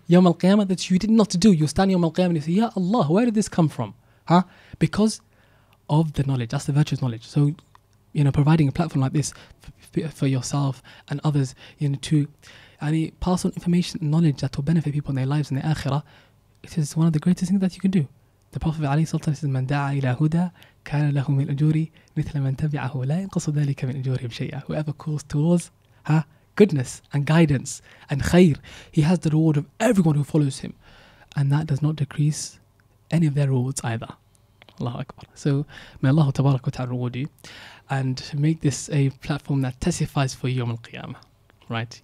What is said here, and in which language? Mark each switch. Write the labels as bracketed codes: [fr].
[en] Yawm al-qiyamah, that you did not do. You stand yawm al-qiyamah and you say, Ya Allah, where did this come from? Huh? Because of the knowledge. That's the virtuous knowledge. So, you know, providing a platform like this for yourself and others, you know, to pass on information and knowledge that will benefit people in their lives in the akhirah, it is one of the greatest things that you can do. [ar] The Prophet Ali Sultan says, Man da'a ila huda, كان له من أجوري مثل من تبعه لا ينقص ذلك من أجورهم شيئا. [en] Whoever calls towards goodness and guidance and khair, he has the reward of everyone who follows him, and that does not decrease any of their rewards either. Allahu Akbar. So may Allah tabarak wa ta'ala reward you and make this a platform that testifies for Yawm al-Qiyamah, right?